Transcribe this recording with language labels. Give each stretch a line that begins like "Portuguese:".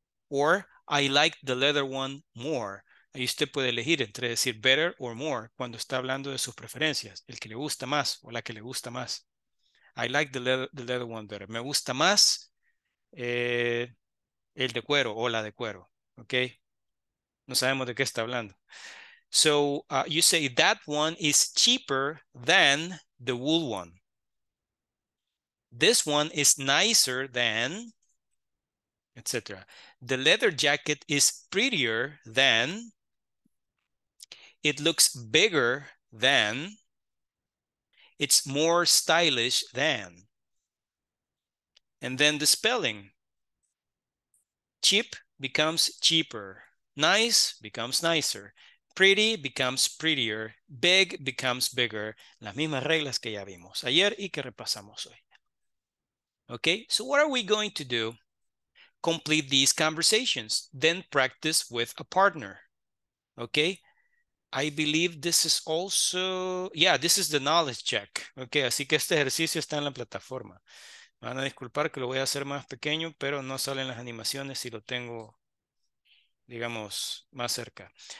English: Or I like the leather one more.
Spanish: Ahí usted puede elegir entre decir better or more cuando está hablando de sus preferencias. El que le gusta más o la que le gusta más.
English: I like the leather one better.
Spanish: Me gusta más el de cuero o la de cuero. Okay. No sabemos de qué está hablando.
English: So you say that one is cheaper than the wool one. This one is nicer than, etc. The leather jacket is prettier than. It looks bigger than. It's more stylish than. And then the spelling. Cheap becomes cheaper. Nice becomes nicer. Pretty becomes prettier. Big becomes bigger.
Spanish: Las mismas reglas que ya vimos ayer y que repasamos hoy.
English: Okay, so what are we going to do? Complete these conversations, then practice with a partner. Okay, I believe this is also, yeah, this is the knowledge check.
Spanish: Okay, así que este ejercicio está en la plataforma. Me van a disculpar que lo voy a hacer más pequeño, pero no salen las animaciones si lo tengo, digamos, más cerca.